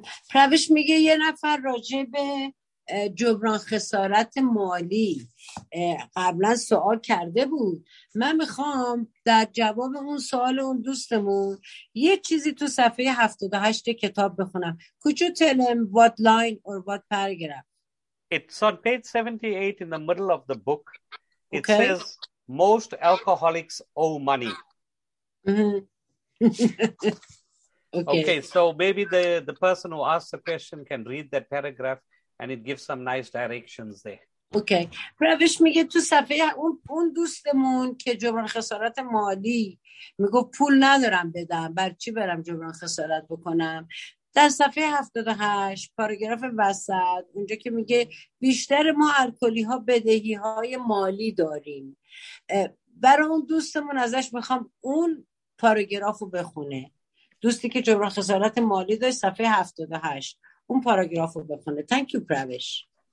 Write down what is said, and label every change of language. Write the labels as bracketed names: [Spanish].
[Persian] Pravesh میگه یه نفر راجع به جبران خسارت مالی قبلا سوال کرده بود. من میخوام در جواب اون سوال اون دوستمون یه چیزی تو صفحه 78 کتاب بخونم. [English] Could you tell him what line or what paragraph? It's on page 78 in the middle of the book. It says Most alcoholics owe money. Mm-hmm. Okay. Okay, so maybe the person who asked the question can read that paragraph and it gives some nice directions there. Okay okay. [Persian] روش میگه تو صفحه اون دوستمون که جبران خسارت مالی میگه پول ندارم بدم بر چی برم جبران خسارت بکنم در صفحه 78 پاراگراف وسط اونجا که میگه بیشتر ما الکلی ها بدهی های مالی داریم برای اون دوستمون ازش میخوام اون پاراگراف رو بخونه دوستی که جبران خسارت مالی داره صفحه 78 اون پاراگراف رو بخونه [English] Thank you [Persian] روش